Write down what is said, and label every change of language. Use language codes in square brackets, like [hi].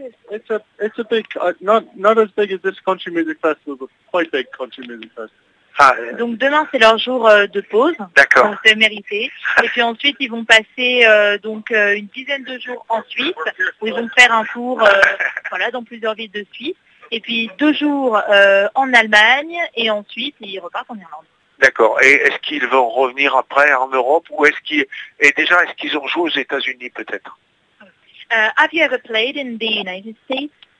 [en] It's a big, not as big as this country music festival, but quite big country music festival. [fr] Donc demain c'est leur jour de pause, d'accord. C'est mérité. Et puis ensuite ils vont passer une dizaine de jours en Suisse, où ils vont faire un tour dans plusieurs villes de Suisse. Et puis 2 jours en Allemagne et ensuite ils repartent en Irlande. D'accord. Et est-ce qu'ils vont revenir après en Europe ou est-ce qu'ils ont joué aux États-Unis peut-être? [en] Have you ever played in the United States?